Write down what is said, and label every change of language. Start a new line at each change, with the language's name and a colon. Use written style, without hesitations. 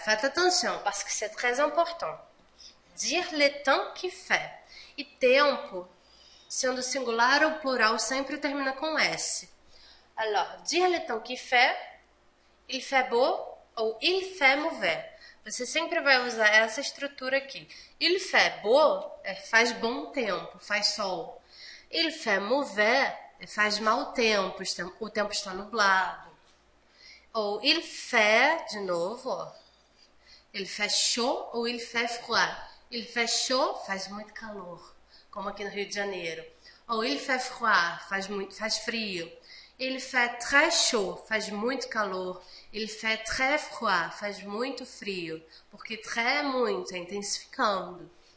French: Faites attention parce que c'est très important. Dire le temps qu'il fait.
Portuguese: E tempo, sendo singular ou plural, sempre termina com S.
French: Alors, dire le temps qu'il fait. Il fait beau ou il fait mauvais.
Portuguese: Você sempre vai usar essa estrutura aqui.
French: Il fait beau
Portuguese: é faz bom tempo, faz sol.
French: Il fait mauvais
Portuguese: é faz mau tempo, o tempo está nublado.
French: Ou il fait,
Portuguese: de novo,
French: il fait chaud ou il fait froid. Il fait chaud
Portuguese: faz muito calor, como aqui no Rio de Janeiro.
French: Ou il fait froid
Portuguese: faz frio.
French: Il fait très chaud,
Portuguese: faz muito calor.
French: Il fait très froid,
Portuguese: faz muito frio. Porque très é muito, é intensificando.